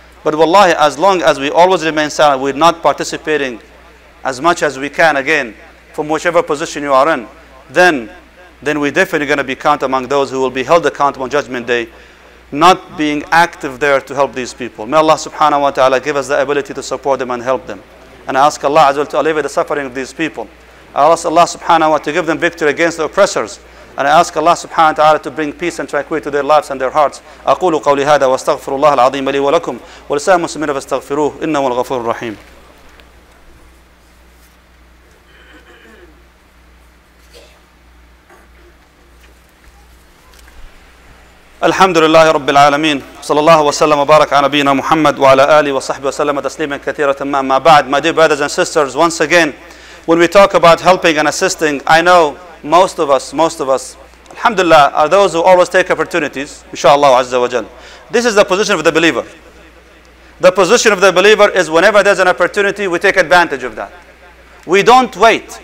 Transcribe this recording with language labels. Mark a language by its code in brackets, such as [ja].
[en] But wallahi, as long as we always remain silent, we're not participating as much as we can again from whichever position you are in, then we're definitely going to be counted among those who will be held accountable on Judgment Day, not being active there to help these people. May Allah subhanahu wa ta'ala give us the ability to support them and help them. And I ask Allah azza wa jal to alleviate the suffering of these people. I ask Allah subhanahu wa ta'ala to give them victory against the oppressors. And I ask Allah subhanahu wa ta'ala to bring peace and tranquility to their lives and their hearts. [ar] أقول قولي هذا واستغفر الله العظيم لي ولكم ولسائر المسلمين فاستغفروه إنه الغفور الرحيم. الحمد لله رب العالمين صلى الله وسلم وبارك على نبينا محمد وعلى آله وصحبه وسلم تسليما كثيرا ما بعد. [en] My dear brothers and sisters, once again, when we talk about helping and assisting, I know most of us, alhamdulillah, are those who always take opportunities, inshallah, azza wa jal. This is the position of the believer. The position of the believer is whenever there's an opportunity, we take advantage of that. We don't wait.